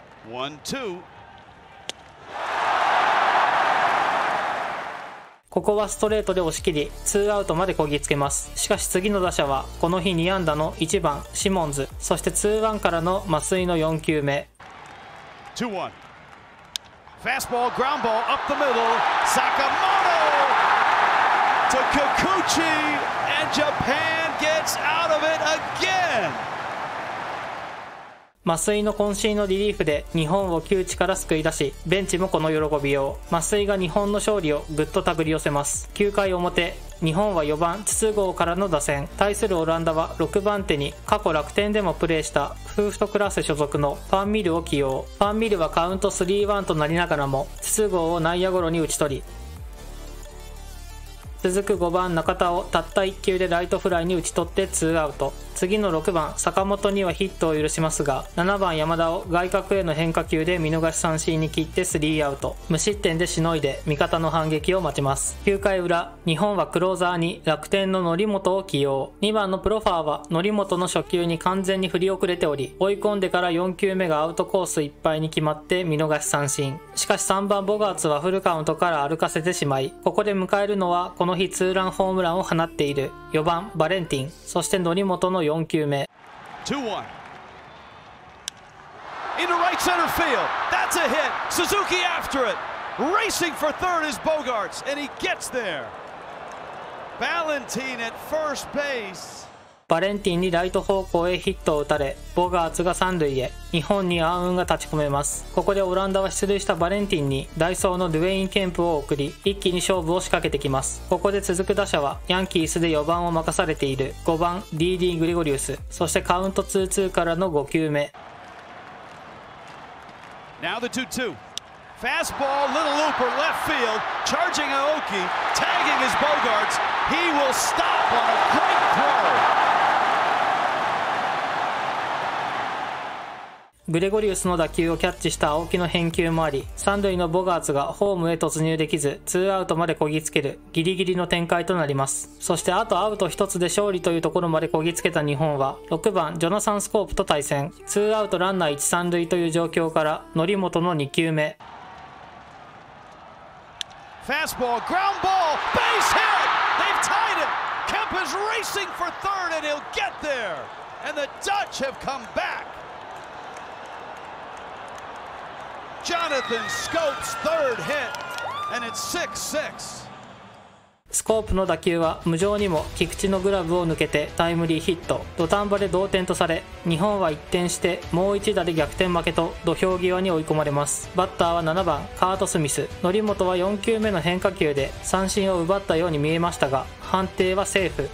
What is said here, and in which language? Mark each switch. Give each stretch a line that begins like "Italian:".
Japanese: 1-2。ここはストレートで押し切り、2アウトまでこぎつけます。しかし次の打者は、この日2安打の1番、シモンズ。そして2-1からの増井の4球目。 2-1。
English: Fastball, ground ball, up the middle, Sakamoto! To Kikuchi, and Japan gets out of it again!
Japanese: 増井の渾身のリリーフで日本を窮地から救い出し、ベンチもこの喜びよう。増井が日本の勝利をぐっと手繰り寄せます。9回表、日本は4番筒香からの打線。対するオランダは6番手に過去楽天でもプレーしたフーフトクラッセ所属のファンミルを起用。ファンミルはカウント 3-1 となりながらも筒香を内野ゴロに打ち取り、続く5番中田をたった1球でライトフライに打ち取って2アウト。次の6番坂本にはヒットを許しますが、7番山田を外角への変化球で見逃し三振に切って3アウト。無失点でしのいで味方の反撃を待ちます。9回裏、日本はクローザーに楽天の則本を起用。 2番のプロファーは則本の初球に完全に振り遅れており、追い込んでから4球目がアウトコースいっぱいに決まって見逃し三振。しかし3番ボガーツはフルカウントから歩かせてしまい、ここで迎えるのはこの日ツーランホームランを放っている4番バレンティン。そして則本の4球目。
English: 2-1 into right center field, that's a hit, Suzuki after it, racing for third is Bogarts, and he gets there, Valentin at first base.
Japanese: バレンティンにライト方向へヒットを打たれ、ボガーツが三塁へ。日本に暗雲が立ち込めます。ここでオランダは出塁したバレンティンにダイソーのドゥエイン・ケンプを送り、一気に勝負を仕掛けてきます。ここで続く打者はヤンキースで4番を任されている5番 DD グリゴリウス。そしてカウント2-2からの5球目。
English: Now the 2-2 Fastball little looper left field charging Aoki tagging his Bogarts he will stop on a great throw。
Japanese: グレゴリウスの打球をキャッチした青木の返球もあり、三塁のボガーツがホームへ突入できず、ツーアウトまでこぎつけるギリギリの展開となります。そしてあとアウト一つで勝利というところまでこぎつけた日本は、6番ジョナサン・スコープと対戦。ツーアウトランナー1、3塁という状況から、則本の2球目。
English: ファーストボール、グラウンドボール、ベースヒット !They've tied it! Kemp is racing for third and he'll get there! And the Dutch have come back! Jonathan Scope's third hit, and it's 6-6.
Japanese: スコープの打球は無情にも菊池のグラブを抜けてタイムリーヒット。土壇場で同点とされ、日本は一転してもう一打で逆転負けと土俵際に追い込まれます。バッターは7番カート・スミス。則本は4球目の変化球で三振を奪ったように見えましたが、判定はセーフ。